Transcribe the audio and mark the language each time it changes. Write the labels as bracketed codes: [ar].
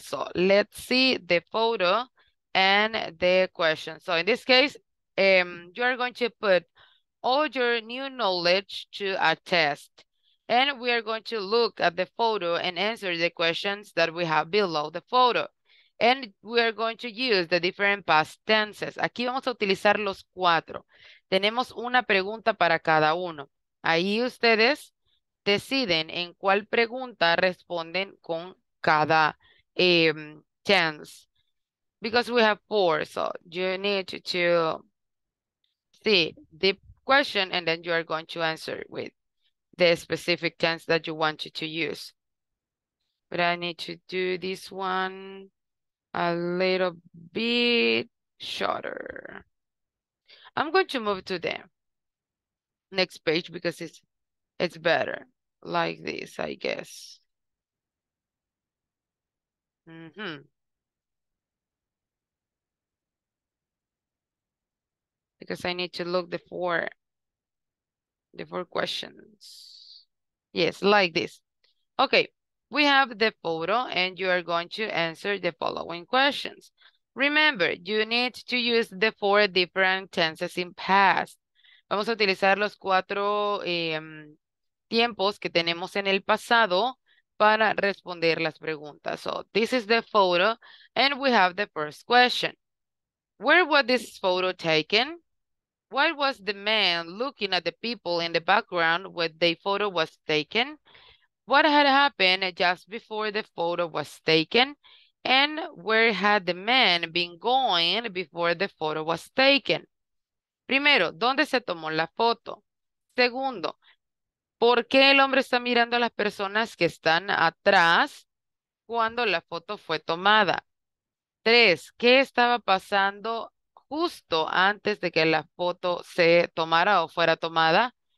[en] So let's see the photo and the question. So in this case, you are going to put all your new knowledge to a test. And we are going to look at the photo and answer the questions that we have below the photo. And we are going to use the different past tenses. [es] Aquí vamos a utilizar los cuatro. Tenemos una pregunta para cada uno. Ahí ustedes deciden en cuál pregunta responden con cada tense. [en] Because we have four, so you need to see the question and then you are going to answer with the specific tense that you want to use. But I need to do this one a little bit shorter. I'm going to move to the next page because it's better. Like this, I guess. Mm-hmm. Because I need to look the four questions. Yes, like this. Okay, we have the photo and you are going to answer the following questions. Remember, you need to use the four different tenses in past. [es] Vamos a utilizar los cuatro tiempos que tenemos en el pasado para responder las preguntas. [en] So, this is the photo, and we have the first question. Where was this photo taken? Why was the man looking at the people in the background when the photo was taken? What had happened just before the photo was taken? And where had the man been going before the photo was taken? [es] Primero, ¿dónde se tomó la foto? Segundo, ¿por qué el hombre está mirando a las personas que están atrás cuando la foto fue tomada? Tres, ¿qué estaba pasando justo antes de que la foto se tomara o fuera tomada?